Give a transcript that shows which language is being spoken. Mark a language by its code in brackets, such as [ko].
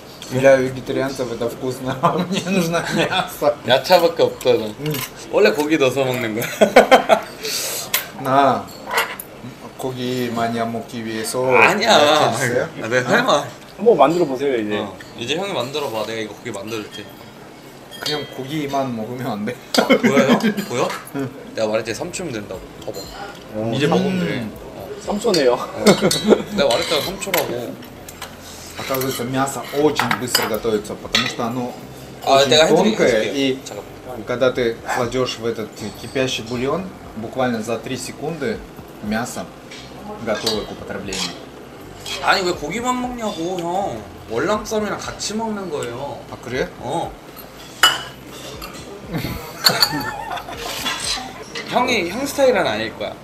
[ru] Для вегетарианцев это вкусно. Мне нужно мясо. [ko] 야채밖에 없다는. 원래 고기 넣어서 먹는 거야. 나 고기 많이 안 먹기 위해서. 아니야. 아, 내가 설마. 한번 만들어 보세요 이제. 어. 이제 형이 만들어 봐. 내가 이거 고기 만들어줄게. 그냥 고기만 먹으면 안 돼? 보여요? 보여? 응. 내가 말했지 3초면 된다고. 봐봐. 오, 이제 먹으면 돼. 3초네요. 어. 내가 말했잖아 3초라고. 아까부터 면사 오진 빨리 [ru] готовится, потому что оно [ko] 아, 내가 [ru] тонкое и когда ты кладешь в этот кипящий бульон, буквально за 3 секунды мясо готово к употреблению. [ko] 아니 왜 고기만 먹냐고 형. 월남쌈이랑 같이 먹는 거예요. 아 그래? 어. 형이 형 스타일은 아닐 거야.